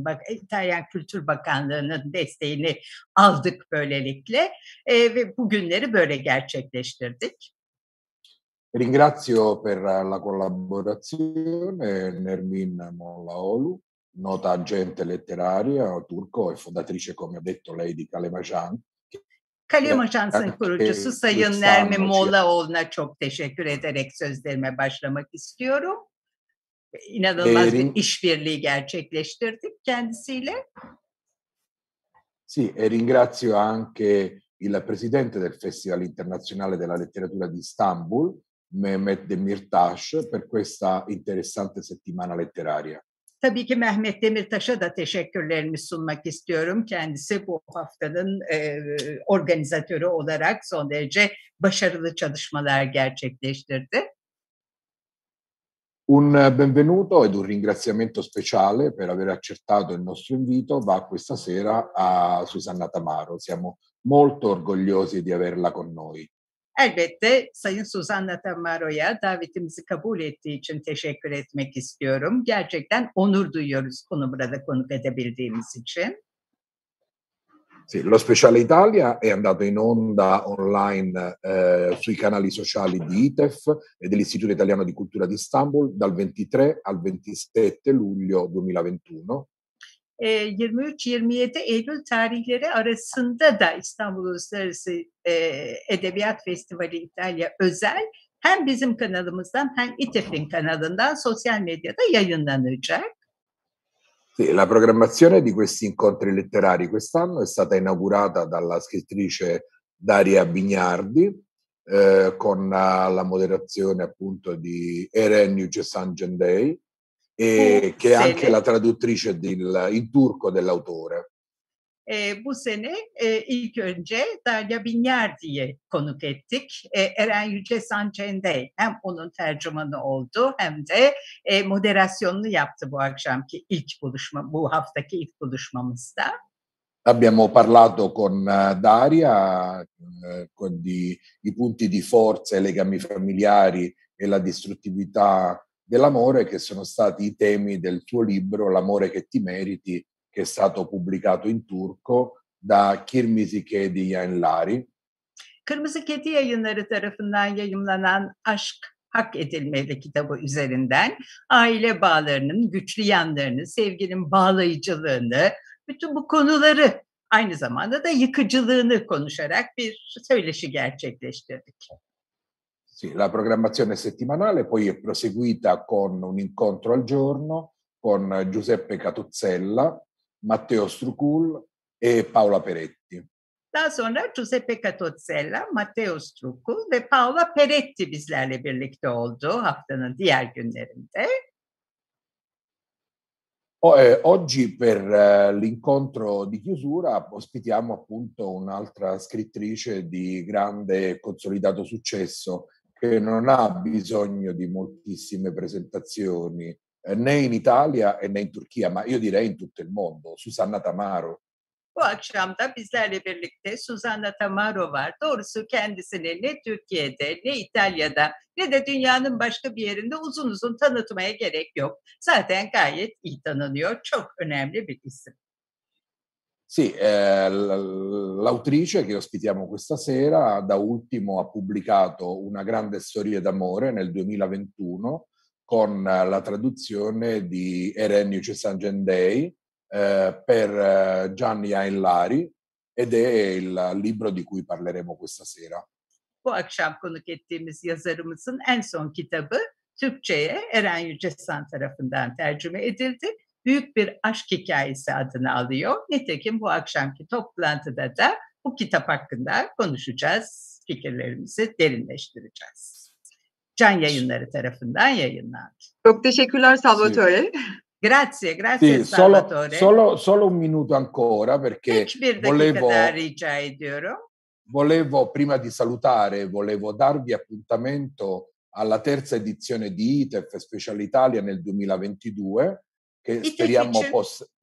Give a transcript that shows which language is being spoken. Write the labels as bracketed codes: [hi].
[tr] İtalyan Kültür Bakanlığı'nın desteğini aldık böylelikle ve bugünleri böyle gerçekleştirdik. [it] Ringrazio per la collaborazione Nermin Mollaoğlu, nota agente letteraria turco e fondatrice, come ha detto lei, di Kalem Agence. [tr] Kalem Ajans'ın kurucusu Sayın Nermin Mollaoğlu'na çok teşekkür ederek sözlerime başlamak istiyorum. İnanılmaz bir işbirliği gerçekleştirdik kendisiyle. [it] Sì, e ringrazio anche il presidente del Festival Internazionale della Letteratura di Istanbul, Mehmet Demirtaş, per questa interessante settimana letteraria. [tr] Tabii ki Mehmet Demirtaş'a da teşekkürlerimi sunmak istiyorum. Kendisi bu haftanın organizatörü olarak son derece başarılı çalışmalar gerçekleştirdi. [it] Un benvenuto ed un ringraziamento speciale per aver accettato il nostro invito va questa sera a Susanna Tamaro. Siamo molto orgogliosi di averla con noi. [tr] Elbette Sayın Susanna Tamaro'ya davetimizi kabul ettiği için teşekkür etmek istiyorum. Gerçekten onur duyuyoruz onu burada konuk edebildiğimiz için. [it] Sì, lo speciale Italia è andato in onda online sui canali sociali di ITEF e dell'Istituto Italiano di Cultura di Istanbul dal 23 al 27 luglio 2021. [tr] 23-27 Eylül tarihleri arasında da İstanbul Uluslararası Edebiyat Festivali İtalya Özel hem bizim kanalımızdan hem ITEF'in kanalından sosyal medyada yayınlanacak. [it] La programmazione di questi incontri letterari quest'anno è stata inaugurata dalla scrittrice Daria Bignardi con la moderazione appunto di Eren Yücesan Cendek. E che è anche la traduttrice in turco dell'autore. [tr] Bu sene ilk önce Darya Binyerdi'yi konuk ettik. Eren Yüce Sancen'de hem onun tercümanı oldu hem de moderasyonunu yaptı bu akşamki ilk buluşma, bu haftaki ilk buluşmamızda. [it] Abbiamo parlato con Daria con di i punti di forza, i legami familiari e la distruttività dell'amore che sono stati i temi del tuo libro L'amore che ti meriti, che è stato pubblicato in turco da Kırmızı Kedi Yayınları. [tr] Kırmızı Kedi Yayınları tarafından yayımlanan Aşk Hak Edilmeli kitabı üzerinden aile bağlarının güçlü yanlarını, sevginin bağlayıcılığını, bütün bu konuları, aynı zamanda da yıkıcılığını konuşarak bir söyleşi gerçekleştirdik. [it] Sì, la programmazione settimanale poi è proseguita con un incontro al giorno con Giuseppe Catuzzella, Matteo Strucul e Paola Peretti. [tr] Daha sonra Giuseppe Catuzzella, Matteo Strucul ve Paola Peretti bizlerle birlikte oldu haftanın diğer günlerinde. [it] Oggi per l'incontro di chiusura ospitiamo appunto un'altra scrittrice di grande consolidato successo che non ha bisogno di moltissime presentazioni né in Italia e né in Turchia, ma io direi in tutto il mondo, Susanna Tamaro. [tr] Bu akşam da bizlerle birlikte Susanna Tamaro var. Doğrusu kendisini ne Türkiye'de, ne İtalya'da, ne de dünyanın başka bir yerinde uzun uzun tanıtmaya gerek yok. Zaten gayet iyi tanınıyor. Çok önemli bir isim. [it] Sì, l'autrice che ospitiamo questa sera da ultimo ha pubblicato una grande storia d'amore nel 2021 con la traduzione di Eren Yüce Sancen'dey per Gianni Ayllari ed è il libro di cui parleremo questa sera. [tr] Bu akşam konuk ettiğimiz yazarımızın en son kitabı Türkçe'ye Eren Yücesan tarafından tercüme edildi. Büyük bir aşk hikayesi adını alıyor. Nitekim bu akşamki toplantıda da bu kitap hakkında konuşacağız, fikirlerimizi derinleştireceğiz. Can Yayınları tarafından yayınlandı. Çok teşekkürler Salvatore. [it] Sì. Grazie, grazie sì, Salvatore. Solo un minuto ancora perché volevo [tr] rica ediyorum. [it] Volevo prima di salutare, volevo darvi appuntamento alla terza edizione di ITEF Special Italia nel 2022 che ITEF speriamo için.